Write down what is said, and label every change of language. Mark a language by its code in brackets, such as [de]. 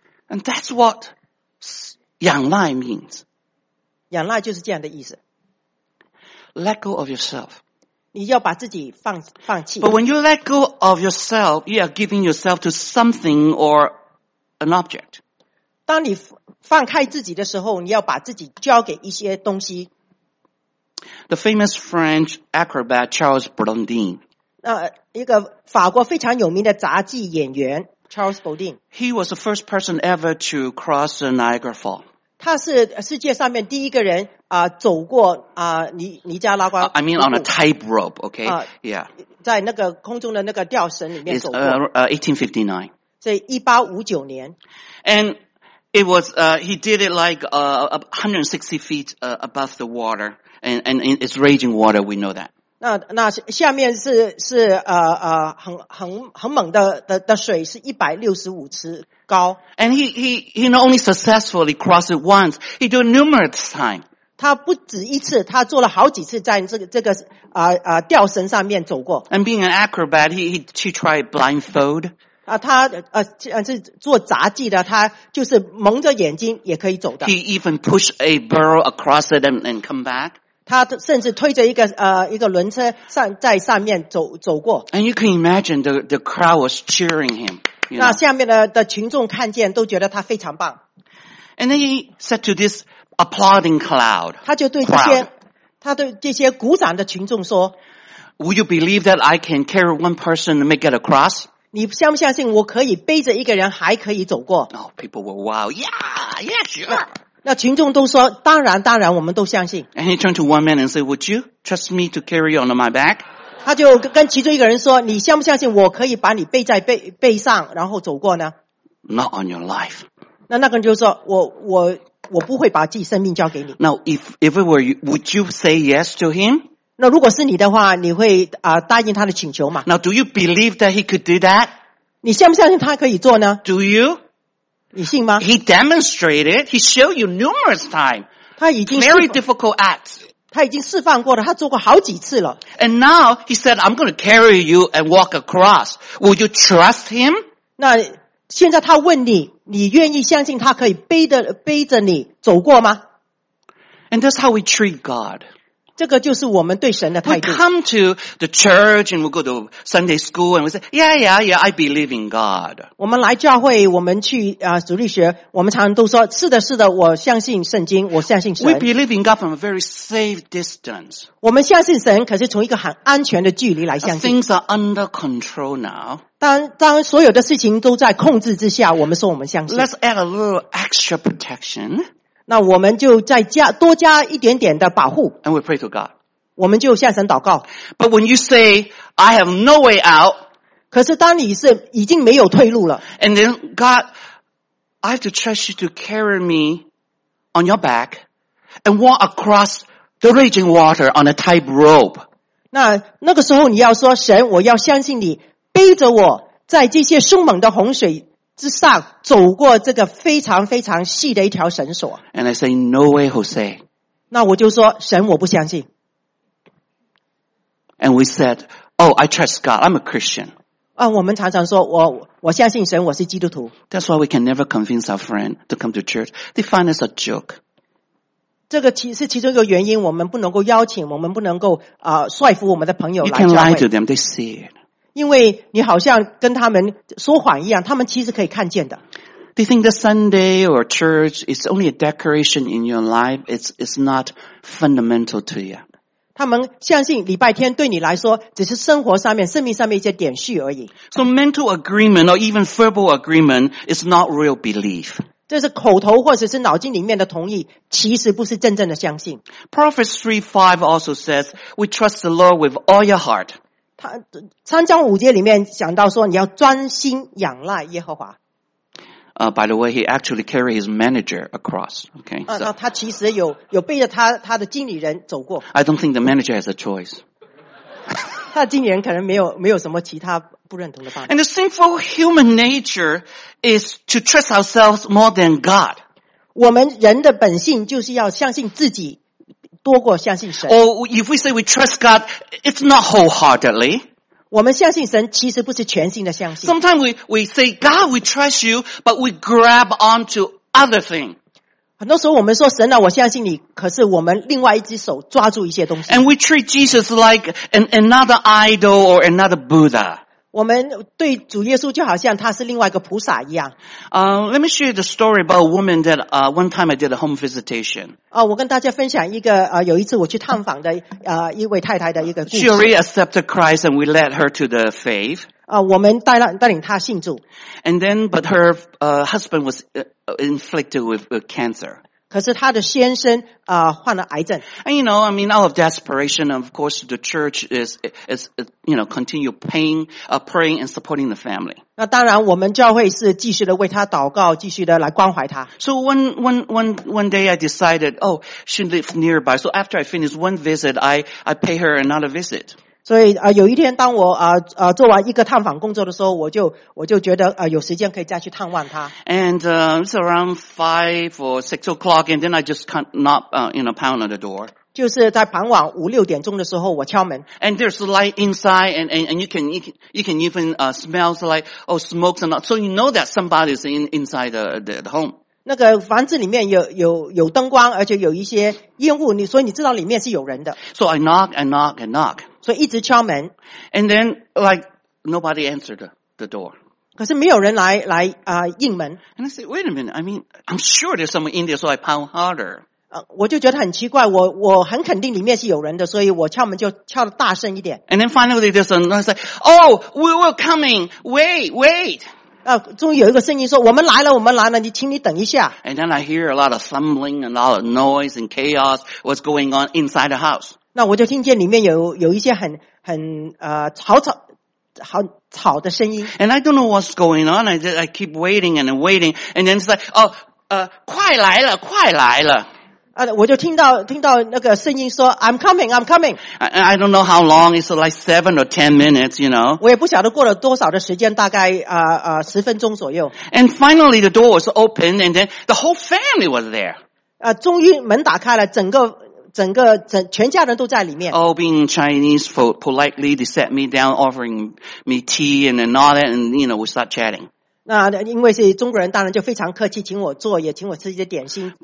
[en] And that's what 仰赖 means. [zh] 仰赖就是这样的意思。 [en] Let go of yourself. [zh] 你要把自己放弃。 [en] But when you let go of yourself, you are giving yourself to something or an object. [zh] 当你放开自己的时候，你要把自己交给一些东西。 [en] The famous French acrobat Charles Blondin. [zh] 一个法国非常有名的杂技演员 Charles Blondin. [en] He was the first person ever to cross the Niagara Fall. [zh] 他是世界上面第一个人走过尼加拉瓜。 [en] I mean on a tightrope, okay? Yeah. [zh] 在那个空中的那个吊绳里面走过。 [en] 1859. [zh] 所以1859年。 [en] And it was, he did it like 160 feet above the water, and it's raging water, we know that. [zh] 那下面是很猛的水是165尺。高 [en] and he not only successfully crossed it once, he did it numerous times. [zh] 他不止一次，他做了好几次在这个吊绳上面走过。 [en] And being an acrobat, he tried blindfold. [zh] 他是做杂技的，他就是蒙着眼睛也可以走的。 [en] He even pushed a barrel across it and come back. [zh] 他甚至推着一个轮车在上面走过。 [en] And you can imagine the crowd was cheering him. [zh] 那下面 的群众看见都觉得他非常棒。 [en] And then he said to this applauding cloud, [zh] 他就对这些 他对这些鼓掌的群众说 [en] Would you believe that I can carry one person and make it across? [zh] 你相不相信我可以背着一个人还可以走过 [en] No, people were wow, yeah, yeah, sure. [zh] 那群众都说当然当然我们都相信 [en] And he turned to one man and said, would you trust me to carry you on my back? [zh] 他就跟其中一个人说你相不相信我可以把你背在 背上然后走过呢 [en] Not on your life. [zh] 那个人就说我不会把自己生命交给你 [en] Now, if it were you, would you say yes to him? [zh] 那如果是你的话你会、答应他的请求吗 [en] Now, do you believe that he could do that? [zh] 你相不相信他可以做呢 [en] Do you? [zh] 你信吗 [en] He demonstrated, he showed you numerous times. [zh] 他已经 [en] Very difficult acts. [zh] 他已经示范过了他做过好几次了。 [en] And now, he said, I'm going to carry you and walk across. Will you trust him? [zh] 那现在他问你你愿意相信他可以背着你走过吗 [en] And that's how we treat God. [zh] 这个就是我们对神的态度。 [en] We come to the church and we go to Sunday school and we say, yeah, yeah, yeah, I believe in God. [zh] 我们来教会，我们去主日学，我们常常都说，是的，是的，我相信圣经，我相信神。 [en] We believe in God from a very safe distance. [zh] 我们相信神，可是从一个很安全的距离来相信。 [en] Things are under control now. [zh] 当所有的事情都在控制之下，我们说我们相信。 [en] Let's add a little extra protection. [zh] 那我们就再加多加一点点的保护。 [en] And we pray to God. [zh] 我们就向神祷告。 [en] But when you say, I have no way out. [zh] 可是当你是已经没有退路了。 [en] And then God, I have to trust you to carry me on your back and walk across the raging water on a tight rope. [zh] 那个时候你要说神我要相信你背着我在这些凶猛的洪水之上走过这个非常非常细的一条绳索。 [en] And I say, no way, Jose. [zh] 那我就说神我不相信。 [en] And we said, oh, I trust God, I'm a Christian. [zh] 我们常常说我相信神我是基督徒。 [en] That's why we can never convince our friend to come to church. They find us a joke. [zh] 这个是其中一个原因我们不能够邀请我们不能够说服我们的朋友来教会。 [en] You can lie to them, they see it. [zh] 因为你好像跟他们说谎一样他们其实可以看见的。 [en] They think that Sunday or church is only a decoration in your life. It's not fundamental to you. [zh] 他们相信礼拜天对你来说只是生活上面生命上面一些点续而已。 [en] So mental agreement or even verbal agreement is not real belief. [zh] 这是口头或者是脑筋里面的同意其实不是真正的相信。 [en] Proverbs 3:5 also says, We trust the Lord with all your heart. [zh] 三章五节里面讲到说你要专心仰赖耶和华。 [en] By the way, he actually carried his manager across, okay? [zh] 他其实有背着他的经理人走过。 [en] I don't think the manager has a choice. [zh] 他的经理人可能没有什么其他不认同的办法。 [en] And the sinful human nature is to trust ourselves more than God. [zh] 我们人的本性就是要相信自己。多过相信神。 [en] Or if we say we trust God, it's not wholeheartedly. [zh] 我们相信神其实不是全心的相信。 [en] Sometimes we say, God, we trust you, but we grab onto other things. [zh] 很多时候我们说神啊我相信你可是我们另外一只手抓住一些东西。 [en] And we treat Jesus like another idol or another Buddha. [zh] 我们对主耶稣就好像他是另外一个菩萨一样。 [en] Let me share the story about a woman that, one time I did a home visitation. [zh] 我跟大家分享一个有一次我去探访的一位太太的一个故事。 [en] She already accepted Christ and we led her to the faith. [zh] 我们带领她信主。 [en] And then, but her, husband was inflicted with cancer. [zh] 可是他的先生患了癌症。 [en] And you know, I mean, out of desperation, of course, the church is you know, continue paying, praying and supporting the family. [zh] 那当然我们教会是继续的为他祷告继续的来关怀他。 [en] So one day I decided, oh, she lives nearby. So after I finish one visit, I pay her another visit. [zh] 所以有一天当我做完一个探访工作的时候我就觉得有时间可以再去探望他。 [en] And, it's around 5 or 6 o'clock, and then I just can't knock, you know, pound on the door. [zh] 就是在傍晚五六点钟的时候我敲门。 [en] And there's light inside, and you can even smell like, oh, smoke's not, so you know that somebody's inside the home. [zh] 那个房子里面有灯光而且有一些烟雾你所以你知道里面是有人的。 [en] So I knock and knock and knock. [zh] 所以一直敲门。 [en] And then, like, nobody answered the door. [zh] 可是没有人来应门。 [en] And I said, wait a minute, I mean, I'm sure there's someone in there, so I pound harder. [zh] 我就觉得很奇怪，我很肯定里面是有人的，所以我敲门就敲得大声一点。 [en] And then finally there's another say, oh, we were coming, wait. [zh] 终于有一个声音说，我们来了，你请你等一下。 [en] And then I hear a lot of fumbling, a lot of noise and chaos, what's going on inside the house. [zh] 那我就听见里面有一些很吵吵。吵的声音。 [en] And I don't know what's going on. I keep waiting and waiting. And then it's like, oh, [zh] 快来了，快来了。我就听到那个声音说 [en] I'm coming. I don't know how long. It's like 7 or 10 minutes, you know. [zh] 我也不晓得过了多少的时间，大概十分钟左右。 [en] And finally the door was opened and then the whole family was there. [zh] 终于门打开了，整个全家人都在里面。 [en] All being Chinese, politely they sat me down, offering me tea and then all that, and you know we start chatting. [zh] 那因为是中国人，当然就非常客气，请我坐，也请我吃一些点心。